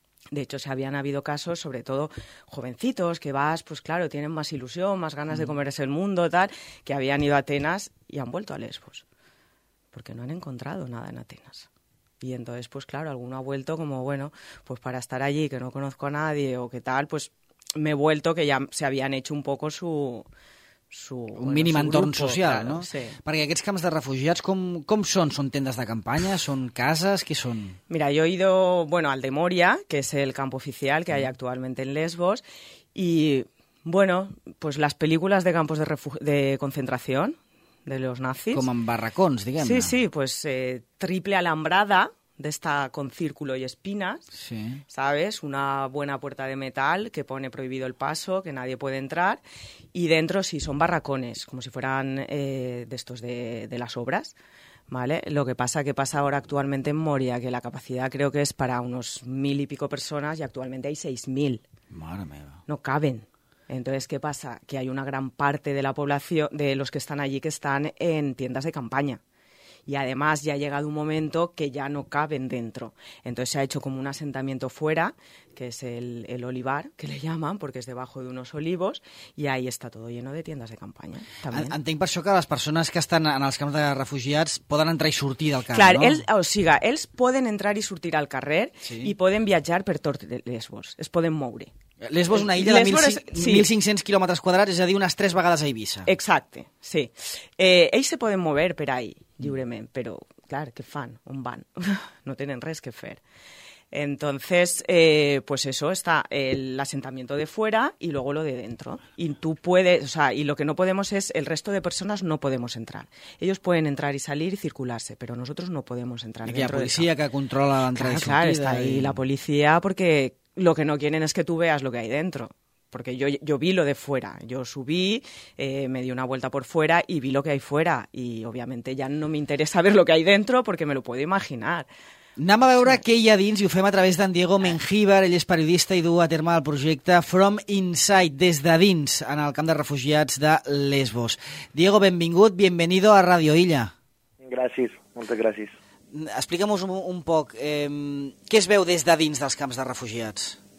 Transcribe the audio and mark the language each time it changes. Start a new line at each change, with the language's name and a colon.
Spanish: De hecho, se habían habido casos, sobre todo jovencitos, que vas, pues claro, tienen más ilusión, más ganas de comerse el mundo, tal, que habían ido a Atenas y han vuelto a Lesbos, porque no han encontrado nada en Atenas. Y entonces, pues claro, alguno ha vuelto como, bueno, pues para estar allí, que no conozco a nadie o qué tal, pues me he vuelto, que ya se habían hecho un poco su
Catalan: un,
Spanish: bueno,
Catalan: mínim entorn social,
Spanish: claro, no? Sí.
Catalan: Perquè aquests camps de refugiats com són? Són tendes de campanya? Són cases? Què són?
Spanish: Mira, yo he ido, bueno, al de Moria, que es el campo oficial que hay actualmente en Lesbos, y, bueno, pues las películas de campos de de concentración, de los nazis. Como en barracons, digamos. Sí, sí, pues triple alambrada, de esta con círculo y espinas, sí. ¿Sabes? Una buena puerta de metal que pone prohibido el paso, que nadie puede entrar. Y dentro sí, son barracones, como si fueran de estos de las obras, ¿vale? Lo que pasa, que pasa ahora actualmente en Moria, que la capacidad creo que es para unos 1000 y pico personas y actualmente hay 6000. Madre mía. No caben. Entonces, ¿qué pasa? Que hay una gran parte de la población, de los que están allí, que están en tiendas de campaña. Y además ya ha llegado un momento que ya no caben dentro. Entonces se ha hecho como un asentamiento fuera, que es el olivar, que le llaman, porque es debajo de unos olivos, y ahí está todo lleno de tiendas de campaña.
Catalan: Entenc per això que les persones que estan en els camps de refugiats poden entrar i sortir del camp, clar, no? Clar, ells poden entrar i sortir al carrer, sí. I poden viatjar per tot Lesbos, es poden moure. Lesbos una illa de 1.500 quilòmetres quadrats, és a dir, unes tres vegades a Eivissa. Exacte, sí. Ells se poden mover per ahí lliurement, però, clar, què fan? On van? No tenen res que fer.
Spanish: Entonces, pues eso, está el asentamiento de fuera y luego lo de dentro. Y tú puedes, o sea, y lo que no podemos es, el resto de personas no podemos entrar. Ellos pueden entrar y salir y circularse, pero nosotros no podemos entrar. Y la policía que controla la entrada, claro, y claro, está ahí la policía, porque lo que no quieren es que tú veas lo que hay dentro. Porque yo vi lo de fuera. Yo subí, me di una vuelta por fuera y vi lo que hay fuera. Y obviamente ya no me interesa ver lo que hay dentro porque me lo puedo imaginar.
Catalan: Anem a veure què hi ha dins, i ho fem a través d'en Diego Mengíbar. Ell és periodista i du a terme el projecte From Inside, des de dins, en el camp de refugiats de Lesbos. Diego, benvingut,
Spanish: bienvenido
Catalan: a Radio Illa. Gràcies, moltes gràcies. Explica'm-nos un poc, què es veu des de dins dels camps de refugiats?